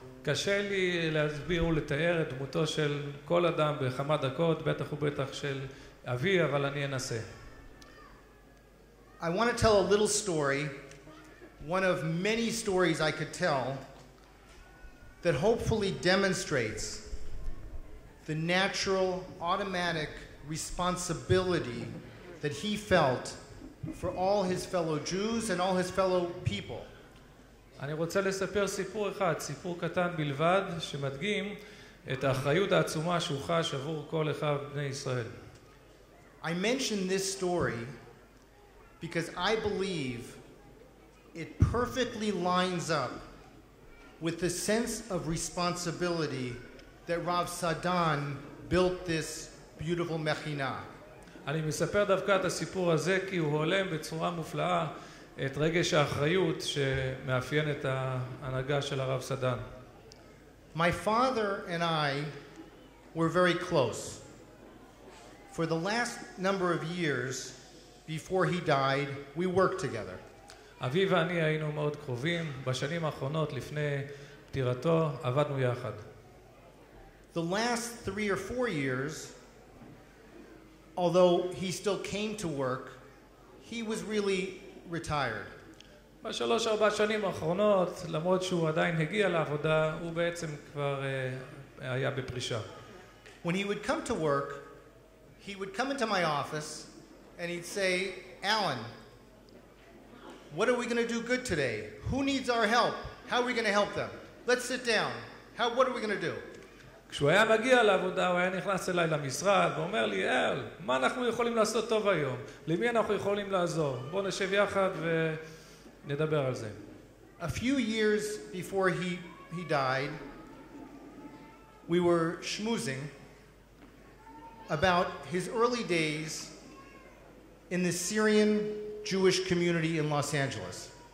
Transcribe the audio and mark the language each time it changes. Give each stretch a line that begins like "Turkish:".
Hebrew: קשה לי להסביר ולתאר את דמותו של כל אדם בכמה דקות, בטח ובטח של אבי, אבל אני אנסה.
English: I want to tell a little story, one of many stories I could tell, that hopefully demonstrates the natural automatic responsibility that he felt for all his fellow Jews and all his fellow people.
Hebrew: אני רוצה לספר סיפור אחד, סיפור קטן בלבד, שמדגים את האחריות העצומה שהוא חש עבור כל אחד בני ישראל.
English: I mention this story because I believe it perfectly lines up with the sense of responsibility that Rav Sadan built this beautiful mechina.
Hebrew: אני מספר דווקא את הסיפור הזה כי הוא הולם בצורה מופלאה את רגש האחריות שמאפיין את ההנהגה של הרב סדן.
English: My father and I were very close. For the last number of years before he died, we worked together.
Hebrew: אבי ואני היינו מאוד קרובים בשנים האחרונות לפני פטירתו, עבדנו יחד.
English: The last 3 or 4 years, although he still came to work, he was really retired.
Hebrew: בשלוש ארבע שנים האחרונות, למרות שהוא עדיין הגיע לעבודה, הוא בעצם כבר היה בפרישה.
English: When he would come to work, he would come into my office and he'd say, "Alan, what are we going to do good today? Who needs our help? How are we going to help them?" let's sit down. How, what are we going to do?
Hebrew: כשהוא היה מגיע לעבודה, הוא היה נכנס אליי למשרד ואומר לי, אל, מה אנחנו יכולים לעשות טוב היום? למי אנחנו יכולים לעזור? בוא נשב יחד ונדבר על זה.
English: A few years before he died, we were schmoozing about his early days in the Syrian Jewish community in Los Angeles.